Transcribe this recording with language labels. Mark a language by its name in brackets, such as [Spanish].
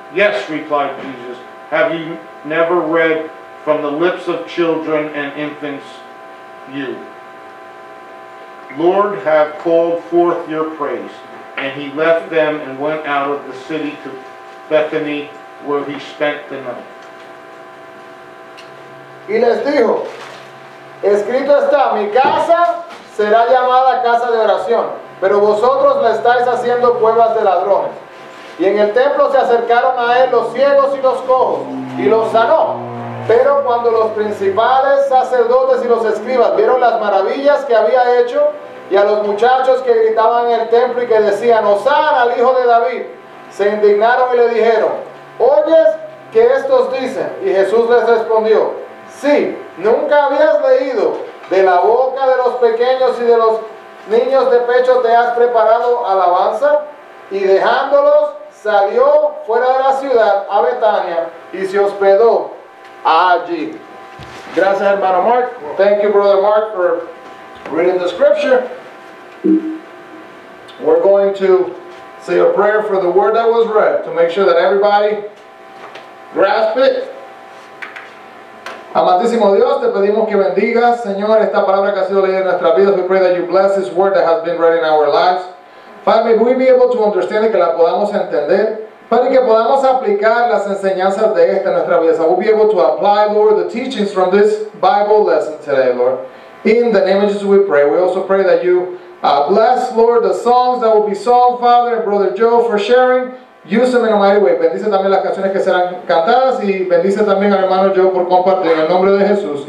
[English] Yes, replied Jesus. Have you never read from the lips of children and infants, you? Lord, have called forth your praise. And he left them and went out of the city to Bethany, where he spent the night. [Spanish] Y les dijo, escrito está, mi casa será llamada casa de oración. Pero vosotros le estáis haciendo cuevas de ladrones. Y en el templo se acercaron a él los ciegos y los cojos, y los sanó. Pero cuando los principales sacerdotes y los escribas vieron las maravillas que había hecho, y a los muchachos que gritaban en el templo y que decían, Hosanna al Hijo de David, se indignaron y le dijeron, ¿Oyes que estos dicen? Y Jesús les respondió, Sí, nunca habías leído de la boca de los pequeños y de los Niños de pecho te has preparado alabanza y dejándolos salió fuera de la ciudad a Betania y se hospedó allí. Gracias, hermano Mark. [English] Thank you, brother Mark, for reading the scripture. We're going to say a prayer for the word that was read to make sure that everybody grasp it. [Spanish] Amantísimo Dios, te pedimos que bendigas, Señor, esta palabra que ha sido leída en nuestras vidas. [English] We pray that you bless this word that has been read in our lives. Father, may we be able to understand it, [Spanish] que la podamos entender. Padre, que podamos aplicar las enseñanzas de esta en nuestras vidas. [English] We'll be able to apply, Lord, the teachings from this Bible lesson today, Lord. In the name of Jesus, we pray. We also pray that you bless, Lord, the songs that will be sung, Father, and Brother Joe, for sharing. Use them in a mighty way. [Spanish] Bendice también las canciones que serán cantadas y bendice también al hermano Joe por compartir en el nombre de Jesús.